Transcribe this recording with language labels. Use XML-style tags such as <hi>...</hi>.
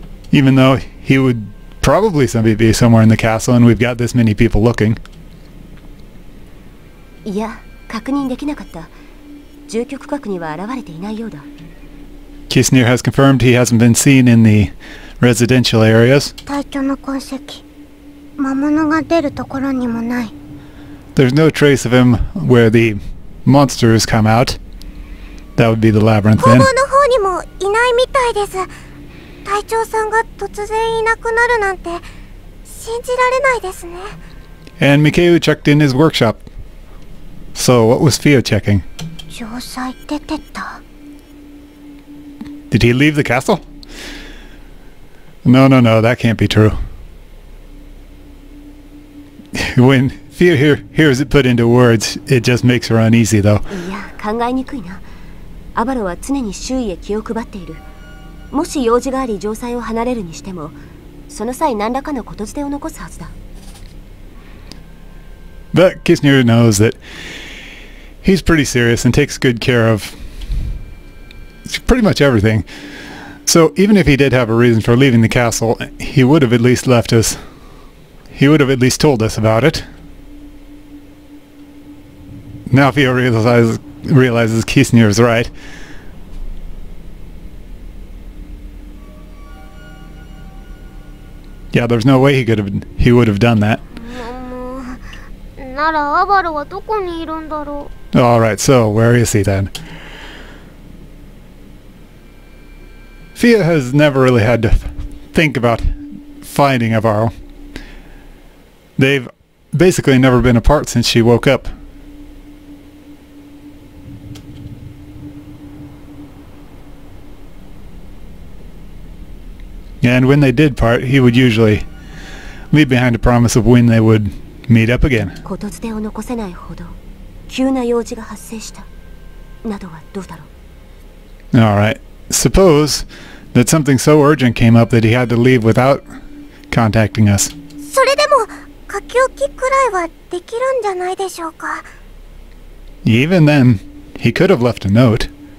<en>Even though he would probably be somewhere in the castle and we've got this many people looking.</en> <ja>いや、確認できなかった。住居区画には現れていないようだ。</ja> <en>Kisner has confirmed he hasn't been seen in the residential areas.</en> <ja>退去の痕跡、魔物が出るところにもない。</ja> <en>There's no trace of him where the monsters come out. That would be the labyrinth then.</en> <ja>工房の方にもいないみたいです。隊長さんが突然いなくなるなんて信じられないですね。</ja> <en>And Mikeu checked in his workshop. So what was Fio checking?</en> <ja>城塞出てった。</ja> <en>Did he leave the castle? No, that can't be true. When Fio hears it put into words, it just makes her uneasy though.</en> <ja>いや、考えにくいな。アバロは常に周囲へ気を配っている。もし用事があり城塞を離れるにしても、その際何らかのことづてを残すはずだ。</ja> <en>But Kisner knows that he's pretty serious and takes good care of pretty much everything. So even if he did have a reason for leaving the castle, he would have at least left us. He would have at least told us about it. Now Fio realizes Kisner is right. Yeah, there's no way he would have done that.</en> <ja>ならアバロはどこにいるんだろう。</ja> <en>All right, so where is he then? Fio has never really had to think about finding Avaro. They've basically never been apart since she woke up. And when they did part, he would usually leave behind a promise of when they wouldMeet up again.</en> <ja>ことづてを残せないほど急な用事が発生したなどはどうだろう。</ja> <en>All right. Suppose that something so urgent came up that he had to leave without contacting us.</en> <ja>それでも書き置きくらいはできるんじゃないでしょうか。</ja> <en>Even then, he could have left a note.</en>